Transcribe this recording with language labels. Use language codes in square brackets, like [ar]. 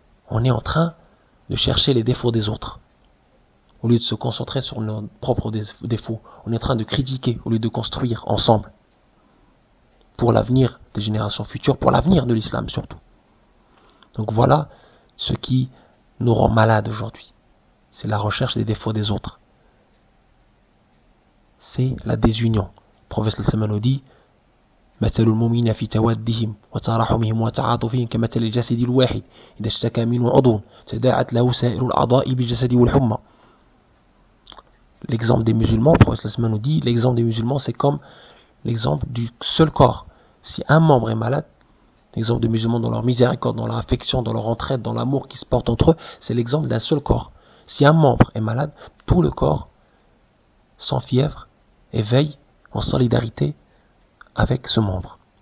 [fr] On est en train de chercher les défauts des autres. Au lieu de se concentrer sur nos propres défauts, on est en train de critiquer au lieu de construire ensemble. Pour l'avenir des générations futures, pour l'avenir de l'islam surtout. Donc voilà ce qui nous rend malades aujourd'hui. C'est la recherche des défauts des autres. C'est la désunion. Le prophète sallallahu alayhi wa sallam dit: [ar] مثل المؤمنين في توادهم وتراحمهم وتعاطفهم كمثل الجسد الواحد إذا اشتكى منه عضو تداعت له سائر الأعضاء بالجسد والحمى. [fr] L'exemple des musulmans, le prophète sallallahu alayhi wa sallam dit, l'exemple des musulmans, c'est comme l'exemple du seul corps. Si un membre est malade, l'exemple des musulmans dans leur miséricorde, dans leur affection, dans leur entraide, dans l'amour qui se porte entre eux, c'est l'exemple d'un seul corps. Si un membre est malade, tout le corps s'enfièvre et veille en solidarité avec ce membre.